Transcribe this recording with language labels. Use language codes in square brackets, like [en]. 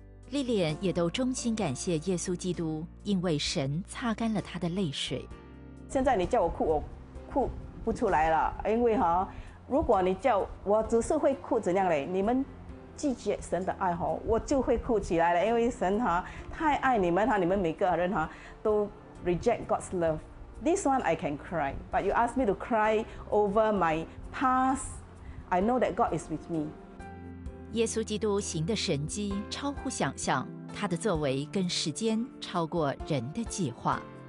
[zh] 莉莲也都衷心感谢耶稣基督，因为神擦干了他的泪水。现在你叫我哭，我哭不出来了，因为如果你叫我只是会哭怎样嘞？你们拒绝神的爱我就会哭起来了，因为神太爱你们，你们每个人都 [en] reject God's love. This one I can cry, but you ask me to cry over my past, I know that God is with me. [zh] 耶稣基督行的神迹超乎想象，他的作为跟时间超过人的计划。